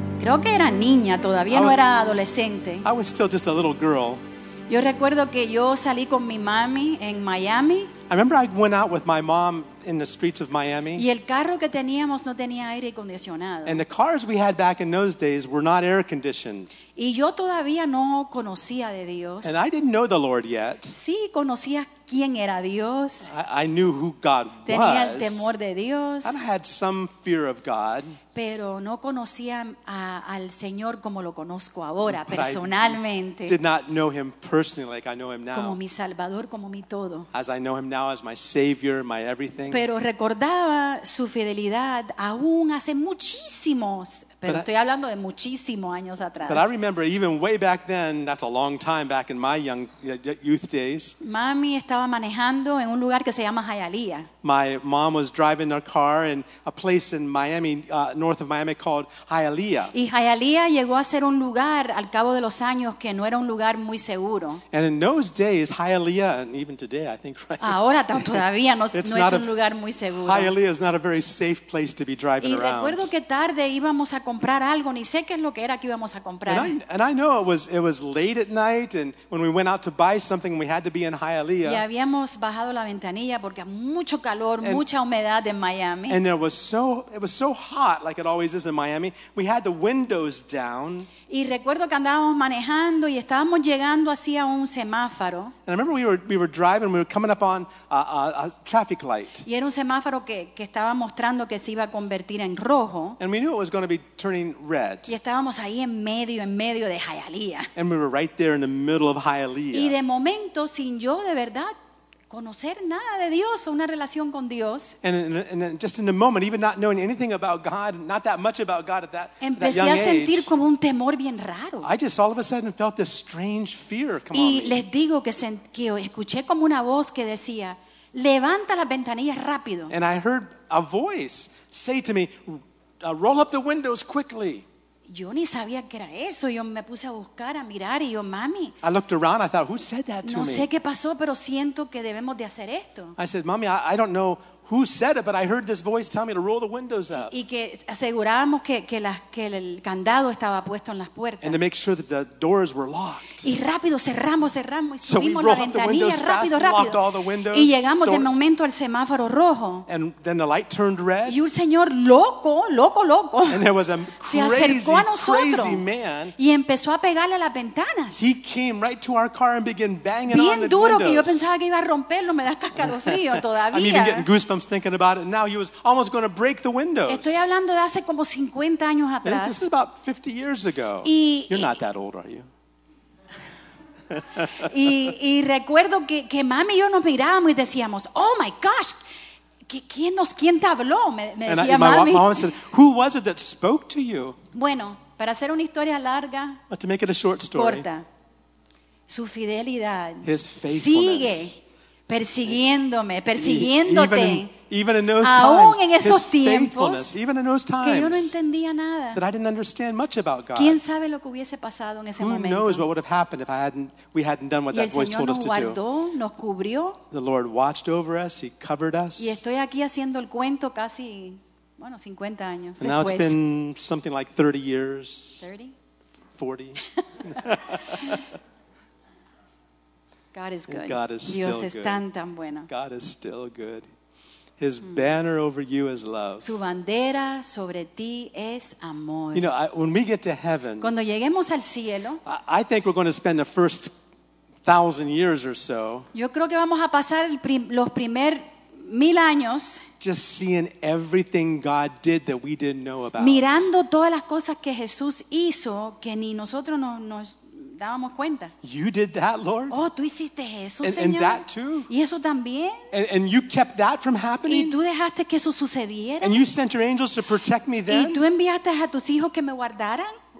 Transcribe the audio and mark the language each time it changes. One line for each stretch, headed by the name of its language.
Spanish: creo que era niña, todavía no era adolescente.
English: I was still just a little girl.
Spanish: Yo recuerdo que yo salí con mi mami en Miami.
English: I remember I went out with my mom in the streets of Miami.
Spanish: Y el carro que teníamos no tenía aire acondicionado.
English: And the cars we had back in those days were not air conditioned.
Spanish: Y yo todavía no conocía de Dios.
English: And I didn't know the Lord yet.
Spanish: Sí, conocía quién era Dios.
English: I knew who God
Spanish: tenía
English: was.
Spanish: Tenía el temor de Dios.
English: And I had some fear of God.
Spanish: Pero no conocía al Señor como lo conozco ahora, personalmente.
English: I did not know Him personally like I know Him now.
Spanish: Como mi Salvador, como mi todo.
English: As I know Him now as my Savior, my everything.
Spanish: Pero recordaba su fidelidad aún hace muchísimos, pero estoy hablando de muchísimos años atrás.
English: But I remember even way back then, that's a long time back in my youth days.
Spanish: Mami estaba manejando en un lugar que se llama Hialeah.
English: My mom was driving her car in a place in Miami, north of Miami called Hialeah.
Spanish: Y Hialeah llegó a ser un lugar al cabo de los años que no era un lugar muy seguro.
English: And in those days, Hialeah, and even today, I think, right?
Spanish: Ahora todavía no es un lugar muy seguro.
English: Hialeah is not a very safe place to be driving around.
Spanish: Y recuerdo que tarde íbamos a comprar algo, ni sé qué es lo que era que íbamos a comprar.
English: And I know it was late at night, and when we went out to buy something, we had to be in Hialeah.
Spanish: Y habíamos bajado la ventanilla porque mucho calor, mucha humedad en Miami.
English: And it was so hot, like it always is in Miami. We had the windows down.
Spanish: Y recuerdo que andábamos manejando y estábamos llegando así a un semáforo.
English: And I remember we were driving, we were coming up on a traffic light.
Spanish: Y era un semáforo que estaba mostrando que se iba a convertir en rojo.
English: And we knew it was going to be turning red.
Spanish: Y estábamos ahí en medio de Hialeah.
English: And we were right there in the middle of Hialeah.
Spanish: Y de momento, sin yo de verdad conocer nada de Dios o una relación con Dios.
English: And just in a moment, even not knowing anything about God, not that much about God at that young age.
Spanish: Empecé a sentir como un temor bien raro.
English: I just all of a sudden felt this strange fear come on me.
Spanish: Y les digo que escuché como una voz que decía, levanta las ventanillas rápido.
English: And I heard a voice say to me, roll up the windows quickly.
Spanish: Yo ni sabía qué era eso. Yo me puse a buscar, a mirar, y yo, mami.
English: I looked around. I thought, who said that to
Spanish: no
English: me?
Spanish: No sé qué pasó, pero siento que debemos de hacer esto.
English: I said, mami, I don't know who said it, but I heard this voice tell me to roll the windows up.
Spanish: Y que asegurábamos que el candado estaba puesto en las puertas.
English: And to make sure that the doors were locked.
Spanish: Y rápido cerramos y subimos
English: so
Spanish: la ventanilla rápido.
English: Locked all the windows,
Spanish: y llegamos de momento al semáforo rojo.
English: And then the light turned red.
Spanish: Y un señor loco.
English: And there was a crazy man.
Spanish: Y empezó a pegarle a las ventanas.
English: He came right to our car and began banging
Spanish: bien
English: on the windows.
Spanish: Bien duro que yo pensaba que iba a romperlo, me da hasta escalofrío todavía.
English: I'm even getting goosebumps thinking about it. Now he was almost going to break the windows.
Spanish: Estoy hablando de hace como 50 años atrás.
English: This is about 50 years ago. You're not that old, are you?
Spanish: Y recuerdo que mami y yo nos mirábamos y decíamos,
English: oh my gosh,
Spanish: ¿quién te habló? Me decía mami.
English: My mom said, who was it that spoke to you?
Spanish: Bueno, para hacer una historia larga,
English: but to make it a short story,
Spanish: corta, su fidelidad,
English: his faithfulness,
Spanish: sigue persiguiéndome, persiguiéndote.
English: Even in those times,
Spanish: que yo no entendía nada.
English: That I didn't understand much about God.
Spanish: ¿Quién sabe lo que hubiese pasado en ese
English: Who
Spanish: momento?
English: Knows what would have happened if we hadn't done what
Spanish: y
English: that voice
Spanish: Señor
English: told us
Spanish: guardó,
English: to do.
Spanish: Nos cubrió.
English: The Lord watched over us, he covered us.
Spanish: Y estoy aquí haciendo el cuento casi, bueno, 50 años
English: And Now it's been something like 30 years. 30? 40. God is good. God is
Spanish: Dios
English: still
Spanish: es
English: good.
Spanish: Tan bueno.
English: God is still good. His banner over you is love.
Spanish: Su bandera sobre ti es amor.
English: You know, when we get to heaven,
Spanish: cuando lleguemos al cielo,
English: I think we're going to spend the first 1,000 years or so.
Spanish: Yo creo que vamos a pasar los primer 1,000 años.
English: Just seeing everything God did that we didn't know about.
Spanish: Mirando todas las cosas que Jesús hizo que ni nosotros nos dábamos cuenta.
English: You did that, Lord.
Spanish: Oh, tú hiciste eso,
English: and,
Spanish: Señor.
English: And that too.
Spanish: Y eso también.
English: And you kept that from happening.
Spanish: Y tú dejaste que eso sucediera.
English: And you sent your angels to protect me then.
Spanish: Y tú enviaste a tus hijos que me guardaran.